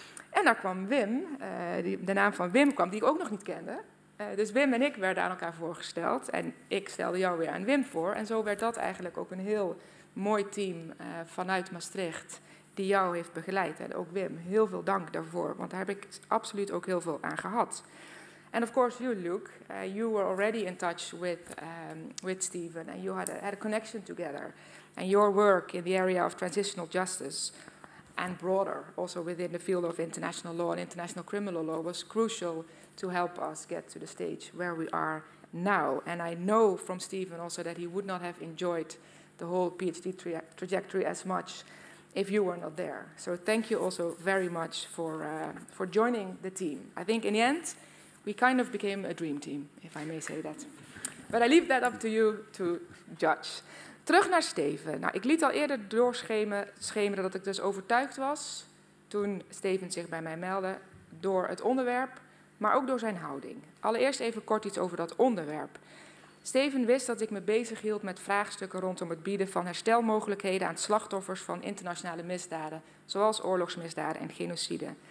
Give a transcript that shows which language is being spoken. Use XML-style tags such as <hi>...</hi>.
<nl>En daar kwam Wim, de naam van Wim kwam, die ik ook nog niet kende. Dus Wim en ik werden aan elkaar voorgesteld en ik stelde jou weer aan Wim voor. En zo werd dat eigenlijk ook een heel mooi team vanuit Maastricht die jou heeft begeleid. En ook Wim, heel veel dank daarvoor, want daar heb ik absoluut ook heel veel aan gehad.</nl> <en>And of course you, Luke, you were already in touch with Steven and you had a connection together. And your work in the area of transitional justice and broader, also within the field of international law and international criminal law, was crucial to help us get to the stage where we are now. And I know from Steven also that he would not have enjoyed the whole PhD trajectory as much if you were not there. So thank you also very much for joining the team. I think in the end, we kind of became a dream team, if I may say that. But I leave that up to you to judge.</en> <nl>Terug naar Steven. Nou, ik liet al eerder doorschemeren dat ik dus overtuigd was toen Steven zich bij mij meldde door het onderwerp, maar ook door zijn houding. Allereerst even kort iets over dat onderwerp. Steven wist dat ik me bezig hield met vraagstukken rondom het bieden van herstelmogelijkheden aan slachtoffers van internationale misdaden, zoals oorlogsmisdaden en genocide.</nl>